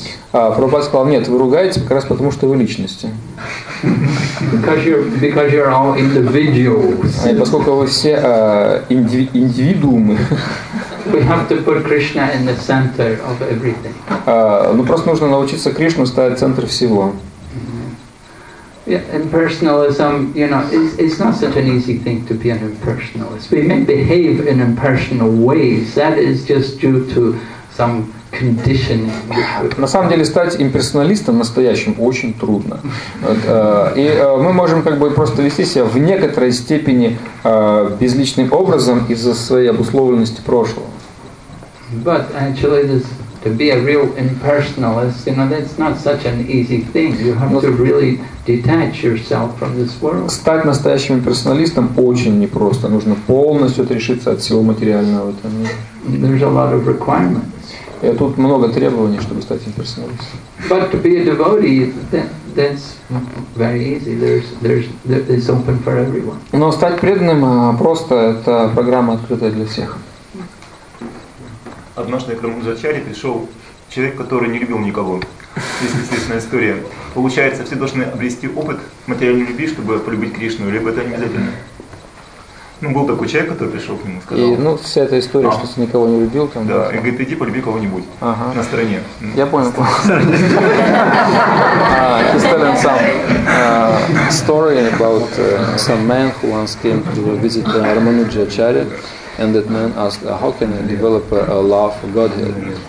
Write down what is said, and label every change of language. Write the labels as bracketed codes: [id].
[ru] Прабхупада сказал, нет, вы ругаетесь как раз потому, что вы личности. [en] Because you're all individuals. [ru] И поскольку вы все индивидуумы. [en] We have to put Krishna in the center of everything. [ru] Просто нужно научиться Кришну ставить в центр всего. Mm-hmm. [en] Yeah, impersonalism, you know, it's not such an easy thing to be an impersonalist. We may behave in impersonal ways. That is just due to some conditioning. [ru] На самом деле стать имперсоналистом настоящим очень трудно. И мы можем как бы просто вести себя в некоторой степени безличным образом из-за своей обусловленности прошлого. [en] But actually this to be a real impersonalist, you know, that's not such an easy thing. You have to really detach yourself from this world. [ru] Стать настоящим имперсоналистом очень непросто. Нужно полностью отрешиться от всего материального в этом мире. [en] There's a lot of requirements. [ru] И тут много требований, чтобы стать имперсоналистом. [en] But to be a devotee, that's very easy. It's open for everyone. [ru] Но стать преданным просто – это программа, открытая для всех. Однажды к Рамудзачари пришел человек, который не любил никого. Есть известная история. Получается, все должны обрести опыт материальной любви, чтобы полюбить Кришну, либо это не обязательно. Ну, был такой человек, который пришел к нему, сказал. И, ну, вся эта история, что ты никого не любил там. Да, и говорит, иди полюби кого-нибудь. Ага. На стороне. Я понял. [en] He's telling some story about some man who once came to visit Рамудзачари. And that man asked, how can I develop a love for Godhead?